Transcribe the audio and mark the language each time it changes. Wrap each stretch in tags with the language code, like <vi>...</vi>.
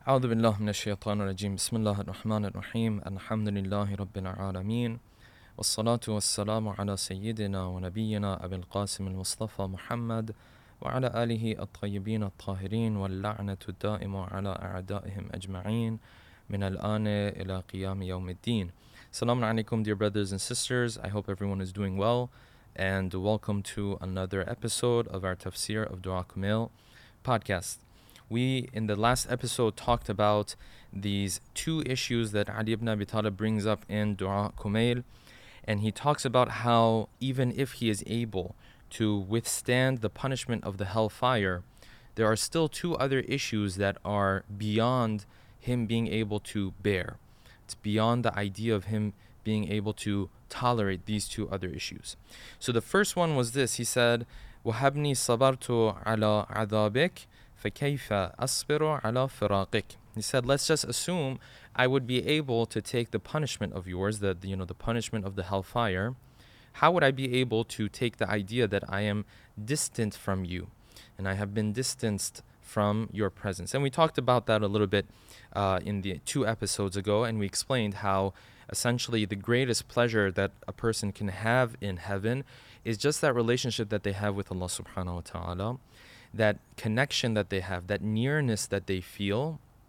<ar>أعوذ بالله من الشيطان الرجيم بسم الله الرحمن الرحيم الحمد لله رب العالمين والصلاة والسلام على سيدنا ونبينا أبي القاسم المصطفى محمد وعلى آله الطيبين الطاهرين واللعنة الدائمة على أعدائهم أجمعين من الآن إلى قيام يوم الدين. السلام عليكم</ar> <en>dear brothers and sisters, I hope everyone is doing well and welcome to another episode of our Tafsir of Dua Kamil podcast. We, in the last episode, talked about these two issues that Ali ibn Abi Talib brings up in Dua Kumail. And he talks about how even if he is able to withstand the punishment of the hellfire, there are still two other issues that are beyond him being able to bear. It's beyond the idea of him being able to tolerate these two other issues. So the first one was this. He said,</en> <ar>وَهَبْنِي صَبَرْتُ عَلَىٰ عَذَابِكَ فَكَيْفَ أَصْبِرُ عَلَىٰ فِرَاقِكَ.</ar> <en>He said, let's just assume I would be able to take the punishment of yours, the punishment of the hellfire. How would I be able to take the idea that I am distant from you and I have been distanced from your presence? And we talked about that a little bit in the two episodes ago, and we explained how essentially the greatest pleasure that a person can have in heaven is just that relationship that they have with Allah subhanahu wa ta'ala, that connection that they have, that nearness that they feel.</en>